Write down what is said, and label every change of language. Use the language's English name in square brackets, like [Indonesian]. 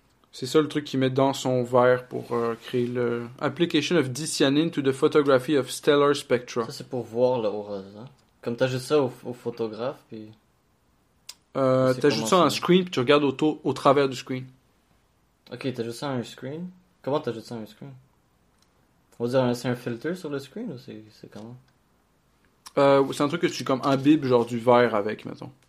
[French] C'est ça le truc qu'ils mettent dans son verre pour créer le... [English] Application of dicyanin to the photography of stellar spectra. [French] Ça, c'est pour voir l'aura, hein? Comme t'ajoutes ça au photographe, puis... T'ajoutes ça à un screen, puis tu regardes au travers du screen. Ok, t'ajoutes ça à un screen? Comment t'ajoutes ça à un screen? On va dire, c'est un filtre sur le screen, ou c'est comment? C'est un truc que tu comme imbibes, genre du verre avec, mettons.